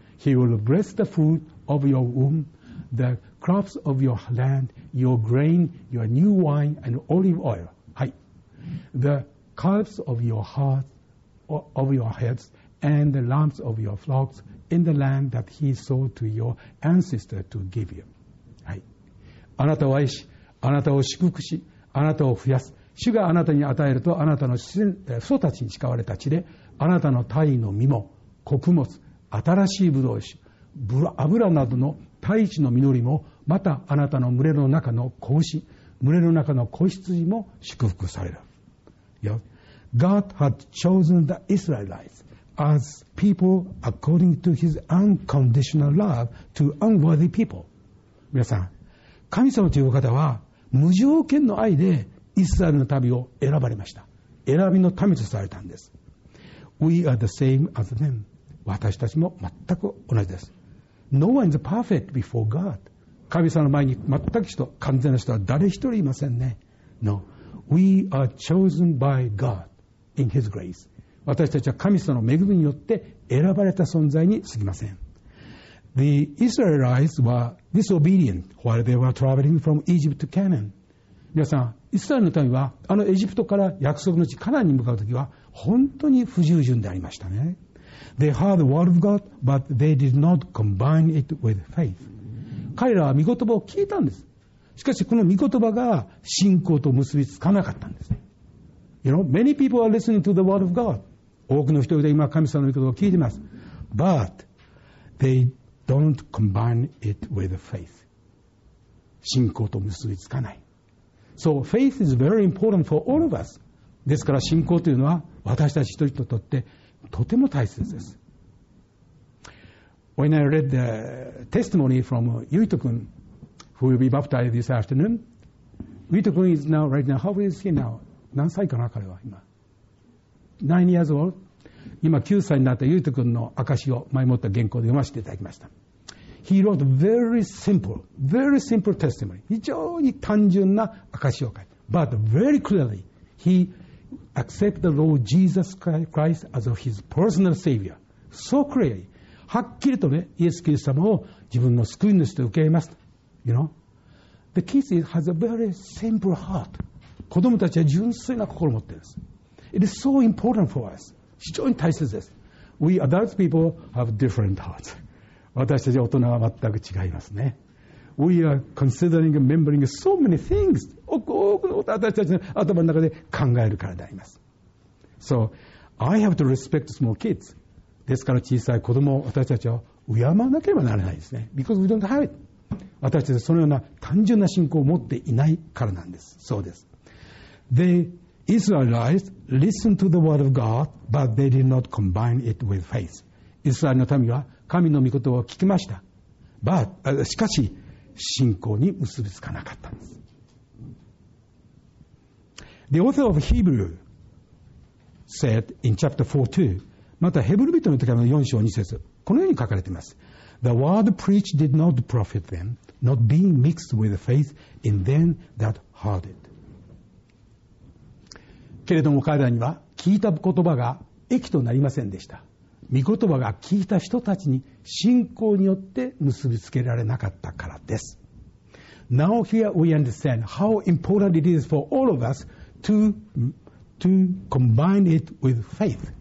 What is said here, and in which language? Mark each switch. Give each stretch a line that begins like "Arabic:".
English: He will bless the fruit of your womb, the crops of your land, your grain, your new wine and olive oil.
Japanese: はい。
English: The calves of your heart, of your heads and the lambs of your flocks in the land that he sold to your ancestor to give you.
Japanese: あなたを愛し、あなたを祝福し、あなたを増やす。主があなたに与えると、あなたの祖たちに誓われた地で、あなたの鯛の実も、穀物、新しい葡萄酒、油などの大地の実りも、またあなたの群れの中の子牛、群れの中の子羊も祝福される。
English: Yes. God had chosen the Israelites as people according to his unconditional love to unworthy people.
Japanese: 皆さん、神様という方は無条件の愛でイスラエルの旅を選ばれました。選びの民とされたんです。
English: We are the same as them.
Japanese: 私たちも全く同じです。
English: No one is perfect before God.
Japanese: 神様の前に全く人、完全な人は誰一人いませんね。
English: No. We are chosen by God in His grace.
Japanese: 私たちは神様の恵みによって選ばれた存在に過ぎません。
English: The Israelites were disobedient while they were traveling from Egypt to Canaan.
Japanese: 皆さん、イスラエルの民は、あのエジプトから約束の地カナンに向かうときは、本当に不従順でありましたね。
English: They heard the word of God, but they did not combine it with faith.
Japanese: 彼らは御言葉を聞いたんです。しかし、この御言葉が信仰と結びつかなかったんです。
English: You know, many people are listening to the word of God.
Japanese: 多くの人々今、神様の御言葉を聞いています。
English: But theydon't combine it with faith.
Japanese: 信仰と結びつかない。
English: So faith is very important for all of us.
Japanese: ですから信仰というのは私たち一人にとってとても大切です。
English: When I read the testimony from Yuito-kun, who will be baptized this afternoon, Yuito-kun is now right now. How old is he now?
Japanese: 何歳かな彼は今。
English: 9 years old.
Japanese: 今9歳になったゆうと君の証を前もった原稿で読ませていただきました。
English: He wrote very simple, very simple testimony.
Japanese: 非常に単純な証を書いて、
English: But very clearly he accepted the Lord Jesus Christ as his personal savior. So clearly,
Japanese: はっきりとね、イエス・キリスト様を自分の救い主と受け入れました。
English: You know? The kids has a very simple heart.
Japanese: 子供たちは純粋な心を持っています。
English: It is so important for us.
Japanese: 非常に大切です。
English: We adult people have different hearts.
Japanese: 私たち大人は全く違いますね。
English: We are considering and remembering so many things.
Japanese: 多くのことを私たちの頭の中で考えるからであります。
English: So, I have to respect small kids.
Japanese: ですから小さい子供を私たちは敬わなければならないですね。
English: Because we don't have it.
Japanese: 私たちはそのような単純な信仰を持っていないからなんです。そうです。
English: The Israelites listened to the word of God, but they did not combine it with faith.
Japanese: イスラエルの民は神の御言葉を聞きました。
English: But,
Japanese: しかし、信仰に結びつかなかったんです。
English: The author of Hebrew said in chapter 4:2,
Japanese: またヘブル人の手紙の4章2節このように書かれています。
English: The word preached did not profit them, not being mixed with the faith in them that heard it.
Japanese: けれども彼らには聞いた言葉が益となりませんでした。御言葉が聞いた人たちに信仰によって結びつけられなかったからです。
English: Now here we understand how important it is for all of us to combine it with faith.